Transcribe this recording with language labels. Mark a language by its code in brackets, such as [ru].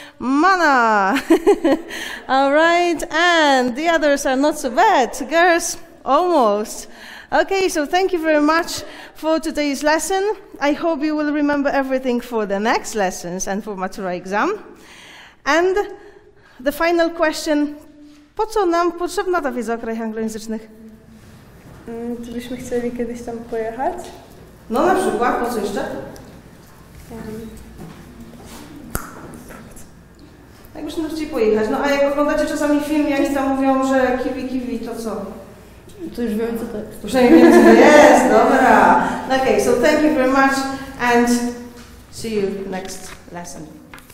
[en] Mana. All right. And the others are not so bad. Girls, almost. Okay, so thank you very much for today's lesson. I hope you will remember everything for the next lessons and for Matura exam. And the final question. [pl] Po co nam potrzebna ta wiedza o krajach anglojęzycznych? Czy byśmy chcieli kiedyś tam pojechać? No na przykład, po co jeszcze? Jakbyśmy chcieli pojechać. No a jak oglądacie czasami film, jak tam mówią, że kiwi, kiwi, to co? To już wiem, co to jest. Przynajmniej wiem, co to jest, dobra. [en] Okay, so thank you very much and see you next lesson.